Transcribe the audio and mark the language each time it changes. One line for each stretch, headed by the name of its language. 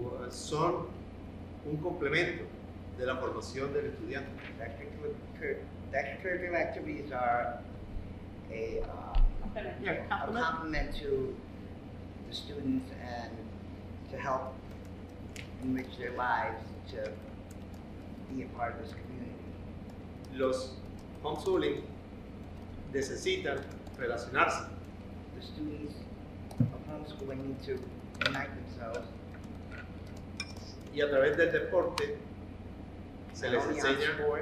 Spanish: Son un complemento de la formación del estudiante.
English: Extracurricular activities are a complement to the students and to help enrich their lives to be a part of this community.
Spanish: Los homeschooling necesitan relacionarse.
English: The students of homeschooling need to unite themselves.
Spanish: Y a través del deporte se les enseña